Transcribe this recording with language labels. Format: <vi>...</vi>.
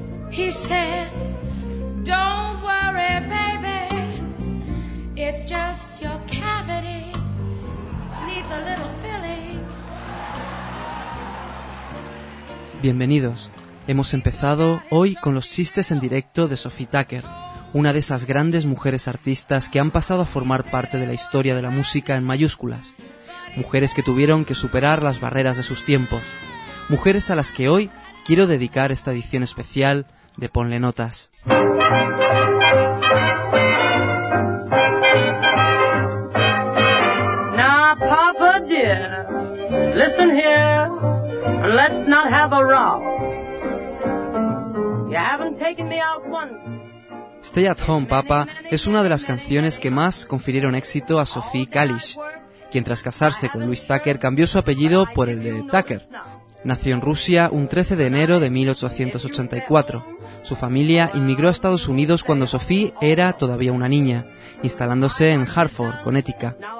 <en>He said, don't worry, baby, it's just your cavity needs a little filling.</en> <es>Bienvenidos. Hemos empezado hoy con los chistes en directo de Sophie Tucker, una de esas grandes mujeres artistas que han pasado a formar parte de la historia de la música en mayúsculas. Mujeres que tuvieron que superar las barreras de sus tiempos. Mujeres a las que hoy quiero dedicar esta edición especial de Ponle Notas.</es> <en>Now, Papa dear, listen here. Let's not have a row. You haven't taken me out once.</en> <es>Stay at Home, Papa es una de las canciones que más confirieron éxito a Sophie Kalish, quien tras casarse con Louis Tucker cambió su apellido por el de Tucker. Nació en Rusia un 13 de enero de 1884. Su familia inmigró a Estados Unidos cuando Sophie era todavía una niña, instalándose en Hartford, Connecticut.</es>